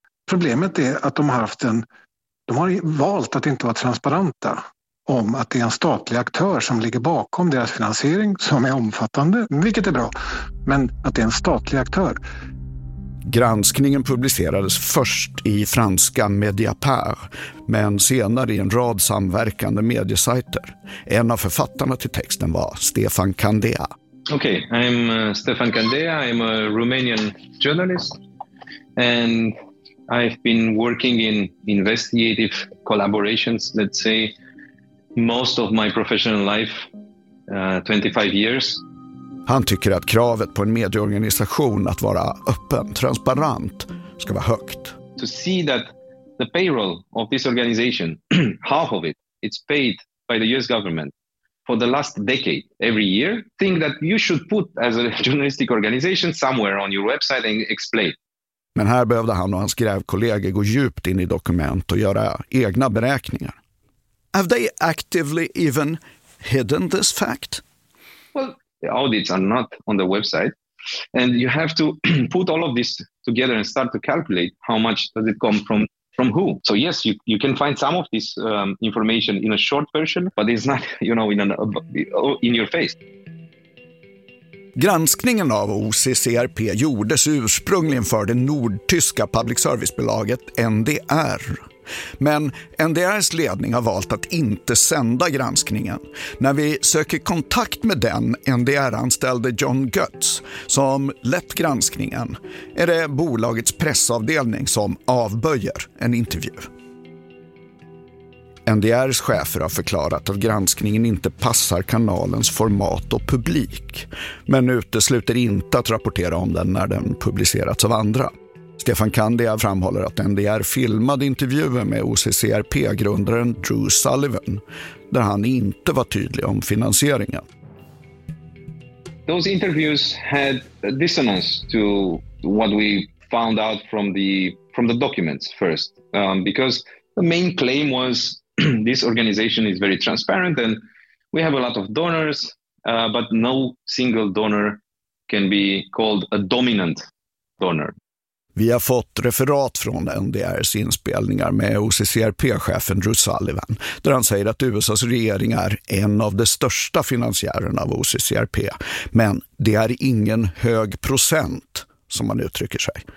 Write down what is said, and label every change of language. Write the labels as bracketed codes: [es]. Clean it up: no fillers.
[sv] Problemet är att de har valt att inte vara transparenta om att det är en statlig aktör som ligger bakom deras finansiering som är omfattande, vilket är bra, men att det är en statlig aktör. Granskningen publicerades först i franska Mediapar, men senare i en rad samverkande mediesajter. En av författarna till texten var Stefan Candea. [en] Okay, I'm Stefan Candea, I'm a Romanian journalist and I've been working in investigative collaborations, let's say, most of my professional life, 25 years. [sv] Han tycker att kravet på en medieorganisation att vara öppen, transparent, ska vara högt. [en] To see that the payroll of this organization, half of it, it's paid by the US government for the last decade, every year, think that you should put as a journalistic organization somewhere on your website and explain. [sv] Men här behövde han och hans grävkollegor gå djupt in i dokument och göra egna beräkningar. [en] Have they actively even hidden this fact? Well, the audits are not on the website. And you have to put all of this together and start to calculate how much does it come from who. So yes, you can find some of this information in a short version, but it's not, you know, in your face. [sv] Granskningen av OCCRP gjordes ursprungligen för det nordtyska public service-bolaget NDR. Men NDRs ledning har valt att inte sända granskningen. När vi söker kontakt med den NDR-anställde John Götz som lett granskningen är det bolagets pressavdelning som avböjer en intervju. NDRs chefer har förklarat att granskningen inte passar kanalens format och publik, men utesluter inte att rapportera om den när den publicerats av andra. Stefan Kandia framhåller att NDR filmade intervjuer med OCCRP-grundaren Drew Sullivan, där han inte var tydlig om finansieringen. [en] Those interviews had dissonance to what we found out from the documents first, because the main claim was this organization is very transparent and we have a lot of donors, but no single donor can be called a dominant donor. [sv] Vi har fått referat från NDRs inspelningar med OCCRP-chefen Drew Sullivan, där han säger att USAs regering är en av de största finansiärerna av OCCRP, men det är ingen hög procent, som man uttrycker sig.